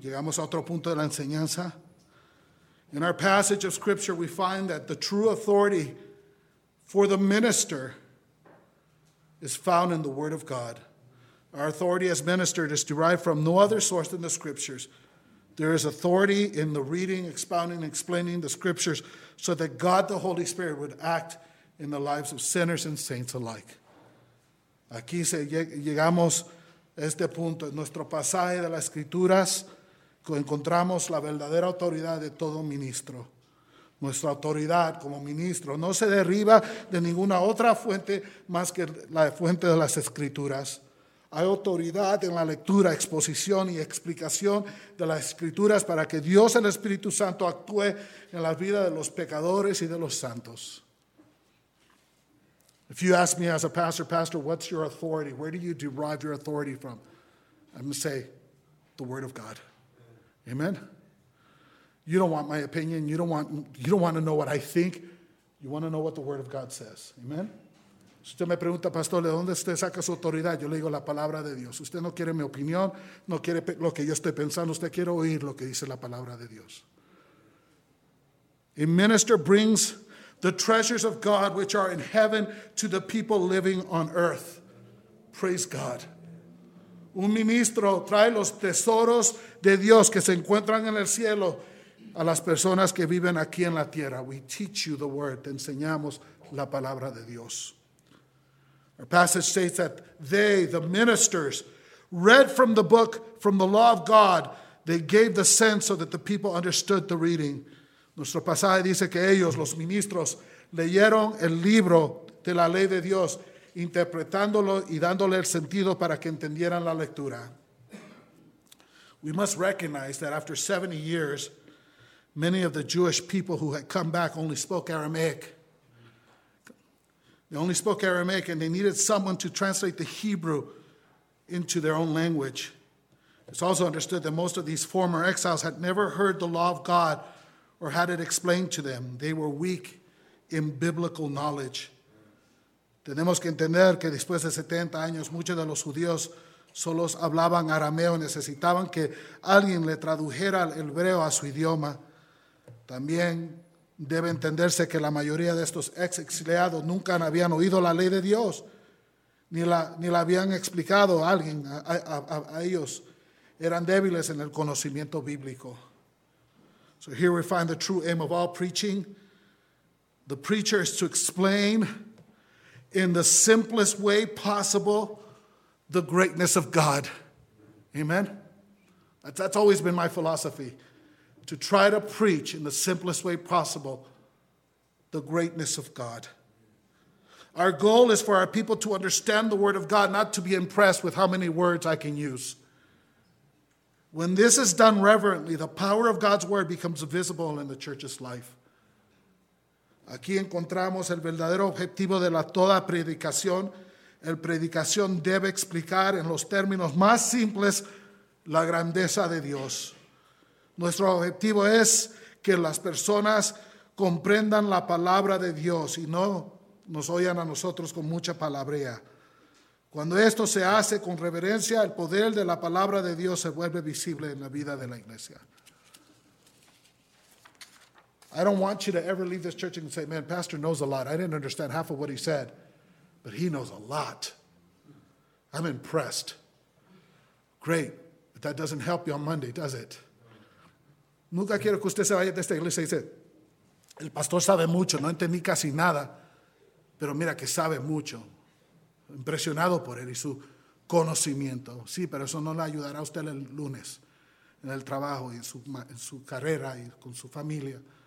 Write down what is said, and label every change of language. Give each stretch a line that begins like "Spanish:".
Spanish: Llegamos a otro punto de la enseñanza.
English: In our passage of scripture, we find that the true authority for the minister is found in the word of God. Our authority as minister is derived from no other source than the scriptures. There is authority in the reading, expounding, explaining the scriptures so that God the Holy Spirit would act in the lives of sinners and saints alike.
Spanish: Aquí se llegamos a este punto. En nuestro pasaje de las escrituras encontramos la verdadera autoridad de todo ministro. Nuestra autoridad como ministro no se deriva de ninguna otra fuente más que la fuente de las escrituras. Hay autoridad en la lectura, exposición y explicación de las Escrituras para que Dios, el Espíritu Santo, actúe en la vida de los pecadores y de los santos.
English: If you ask me as a pastor, what's your authority? Where do you derive your authority from? I'm going to say, the Word of God. Amen? You don't want my opinion. You don't want to know what I think. You want to know what the Word of God says. Amen?
Spanish: Si usted me pregunta, pastor, ¿de dónde usted saca su autoridad? Yo le digo la palabra de Dios. Usted no quiere mi opinión, no quiere lo que yo estoy pensando. Usted quiere oír lo que dice la palabra de Dios.
English: A minister brings the treasures of God which are in heaven to the people living on earth. Praise God.
Spanish: Un ministro trae los tesoros de Dios que se encuentran en el cielo a las personas que viven aquí en la tierra.
English: We teach you the word.
Spanish: Te enseñamos la palabra de Dios.
English: Our passage states that they, the ministers, read from the book, from the law of God, They gave the sense so that the people understood the reading.
Spanish: Nuestro pasaje dice que ellos, los ministros, leyeron el libro de la ley de Dios, interpretándolo y dándole el sentido para que entendieran la lectura.
English: We must recognize that after 70 years, many of the Jewish people who had come back only spoke Aramaic. They only spoke Aramaic, and they needed someone to translate the Hebrew into their own language. It's also understood that most of these former exiles had never heard the law of God or had it explained to them. They were weak in biblical knowledge.
Spanish: Tenemos que entender que después de 70 años, muchos de los judíos solo hablaban arameo, necesitaban que alguien le tradujera el hebreo a su idioma. También debe entenderse que la mayoría de estos ex exiliados nunca habían oído la ley de Dios, ni la habían explicado a alguien, a ellos. Eran débiles en el conocimiento bíblico.
English: So here we find the true aim of all preaching. The preacher is to explain in the simplest way possible the greatness of God. Amen? That's always been my philosophy. To try to preach in the simplest way possible the greatness of God. Our goal is for our people to understand the word of God, not to be impressed with how many words I can use. When this is done reverently, the power of God's word becomes visible in the church's life.
Spanish: Aquí encontramos el verdadero objetivo de la toda predicación. El predicación debe explicar en los términos más simples la grandeza de Dios. Nuestro objetivo es que las personas comprendan la palabra de Dios y no nos oyan a nosotros con mucha palabrea. Cuando esto se hace con reverencia, el poder de la palabra de Dios se vuelve visible en la vida de la iglesia.
English: I don't want you to ever leave this church and say, man, pastor knows a lot. I didn't understand half of what he said, but he knows a lot. I'm impressed. Great, but that doesn't help you on Monday, does it?
Spanish: Nunca quiero que usted se vaya de esta iglesia y dice, el pastor sabe mucho, no entendí casi nada, pero mira que sabe mucho. Impresionado por él y su conocimiento. Sí, pero eso no le ayudará a usted el lunes en el trabajo y en su carrera y con su familia.